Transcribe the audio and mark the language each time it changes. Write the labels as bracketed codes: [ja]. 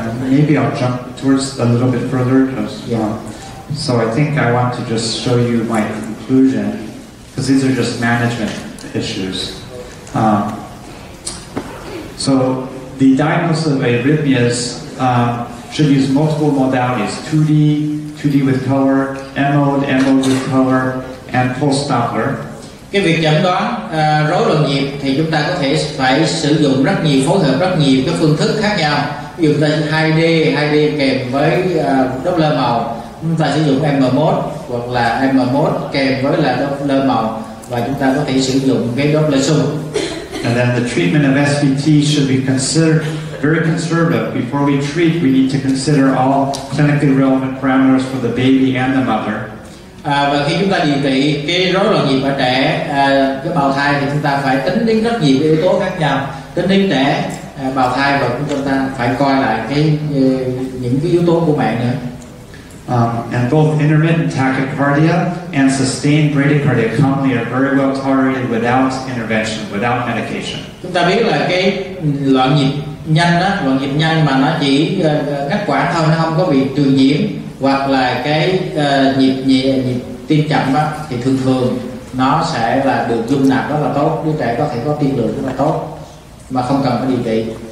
[en] Maybe I'll jump towards a little bit further. So I think I want to just show you my conclusion, because these are just management issues. So the diagnosis of arrhythmias should use multiple modalities: 2D, 2D with color, M-mode, M-mode with color, and pulse Doppler. [vi] Cái việc chẩn đoán rối loạn nhịp thì chúng ta có thể phải sử dụng rất nhiều phối hợp, rất nhiều các phương thức khác nhau. Ví dụ chúng ta 2D, 2D kèm với Doppler màu. Chúng ta sử dụng M-mode hoặc là M-mode kèm với là Doppler màu, và chúng ta có thể sử dụng cái Doppler xung. [en] And then the treatment of SVT should be considered very conservative. Before we treat, we need to consider all clinically relevant parameters for the baby and the mother. [vi] Và khi chúng ta điều trị cái rối loạn nhịp ở trẻ, cái bào thai, thì chúng ta phải tính đến rất nhiều yếu tố khác nhau, tính đến trẻ, bào thai, và chúng ta phải coi lại những cái yếu tố của mẹ nữa. [en] And both intermittent tachycardia and sustained bradycardia commonly are very well tolerated without intervention, without medication. [vi] Chúng ta biết là cái loạn nhịp nhanh mà nó chỉ ngắt quãng thôi, nó không có bị truyền nhiễm, hoặc là cái nhịp tim chậm đó, thì thường thường nó sẽ là được dung nạp rất là tốt, đứa trẻ có thể có tiên lượng rất là tốt mà không cần phải điều trị.